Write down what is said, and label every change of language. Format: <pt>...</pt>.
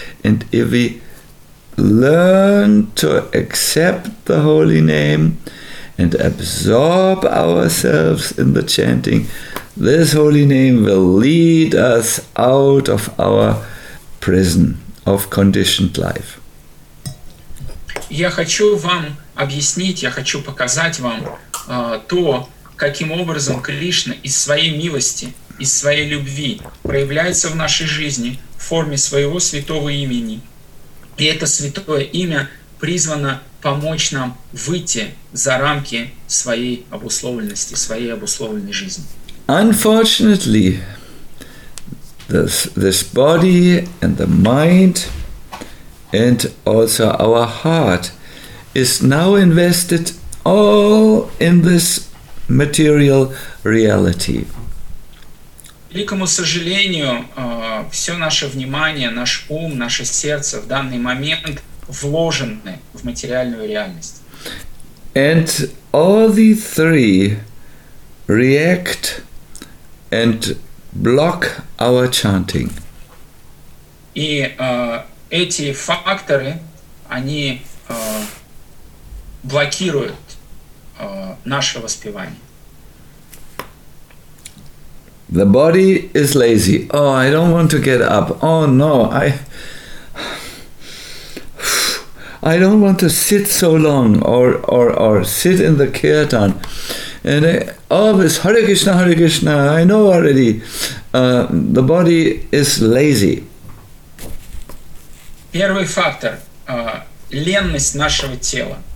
<en>And if we learn to accept the holy name and absorb ourselves in the chanting, this holy name will lead us out of our prison of conditioned life.</en> <ru>Я хочу вам объяснить, я хочу показать вам то, каким образом Кришна из своей милости, из своей любви проявляется в нашей жизни в форме своего святого имени. И это святое имя призвано помочь нам выйти за рамки своей обусловленности, своей обусловленной жизни.</ru> <en>Unfortunately, this body and the mind and also our heart is now invested all in this material reality.</en> <ru>К великому сожалению, все наше внимание, наш ум, наше сердце в данный момент вложены в материальную реальность.</ru> <en>And all the three react and block our chanting.</en> <ru>И эти факторы, они блокируют наше воспевание.</ru> <en>The body is lazy. Oh, I don't want to get up. Oh no, I don't want to sit so long or sit in the kirtan. And it's Hare Krishna, Hare Krishna, I know already, the body is lazy.</en> <ru>Первый фактор – ленность нашего тела.</ru>